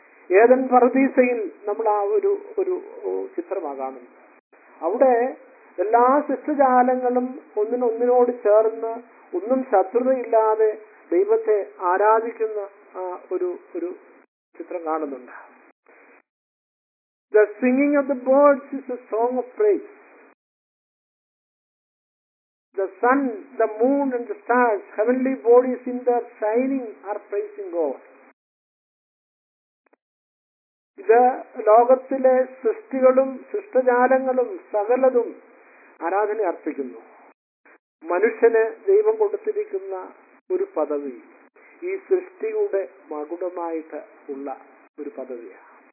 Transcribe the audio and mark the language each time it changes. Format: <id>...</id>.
<ml>Eden പറദീസയിൽ നമ്മൾ ആ ഒരു ഒരു ചിത്രമാകാമുണ്ട്. അവിടെ എല്ലാ ശിഷ്യജാലങ്ങളും ഒന്നിനൊന്നിനോട് ചേർന്ന് ഒന്നും ശത്രുതയില്ലാതെ ദൈവത്തെ ആരാധിക്കുന്ന ആ ഒരു ഒരു ചിത്രം കാണുന്നുണ്ട്.</ml> <en>The singing of the birds is a song of praise. The The sun, the moon and the stars, heavenly bodies in their shining are praising God.</en> <ml>ഇത് ലോകത്തിലെ സൃഷ്ടികളും സൃഷ്ടജാലങ്ങളും സകലതും ആരാധന അർപ്പിക്കുന്നു. മനുഷ്യന് ദൈവം കൊടുത്തിരിക്കുന്ന ഒരു പദവി ഈ സൃഷ്ടിയുടെ മകുടമായിട്ട് ഉള്ള ഒരു പദവിയാണ്.</ml>